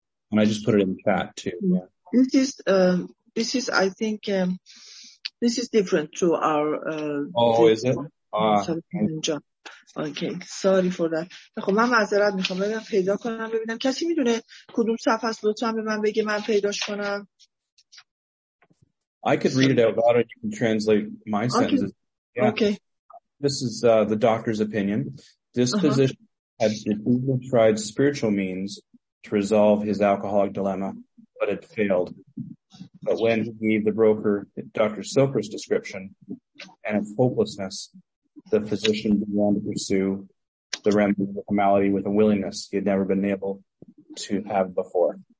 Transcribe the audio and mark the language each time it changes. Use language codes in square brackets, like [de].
[en] and I just put it in chat too. Yeah. This is I think this is different to our Oh, is it? Ah. Okay sorry for that. [fa] خب من معذرت میخوام ببینم پیدا کنم ببینم کسی میدونه کدوم صفحه است لطفا به من بگه من پیداش کنم. [en] I could read it out loud and you can translate my sentences. Okay. Yeah. Okay. This is the doctor's opinion. This physician had repeatedly tried spiritual means to resolve his alcoholic dilemma, but it failed. But when he gave the broker Dr. Silker's description and of hopelessness, the physician began to pursue the remedy of the malady with a willingness he had never been able to have before.